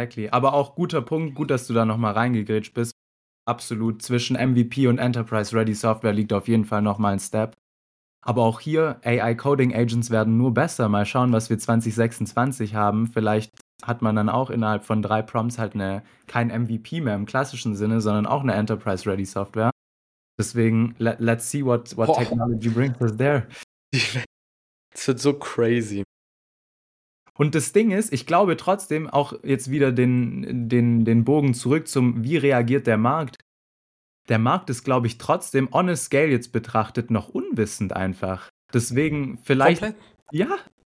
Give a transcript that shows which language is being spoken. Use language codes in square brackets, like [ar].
[de] Aber auch guter Punkt, gut, dass du da nochmal reingegrätscht bist. Absolut, zwischen MVP und Enterprise Ready Software liegt auf jeden Fall nochmal ein Step. Aber auch hier, AI Coding Agents werden nur besser. Mal schauen, was wir 2026 haben. Vielleicht hat man dann auch innerhalb von 3 Prompts halt kein MVP mehr im klassischen Sinne, sondern auch eine Enterprise Ready Software. Deswegen, [en] let's see what technology brings us there. [de] Das wird so crazy. Und das Ding ist, ich glaube trotzdem, auch jetzt wieder den Bogen zurück zum, wie reagiert der Markt? Der Markt ist, glaube ich, trotzdem [en] on a scale [de] jetzt betrachtet noch unwissend einfach. Deswegen vielleicht... Komplett? Ja.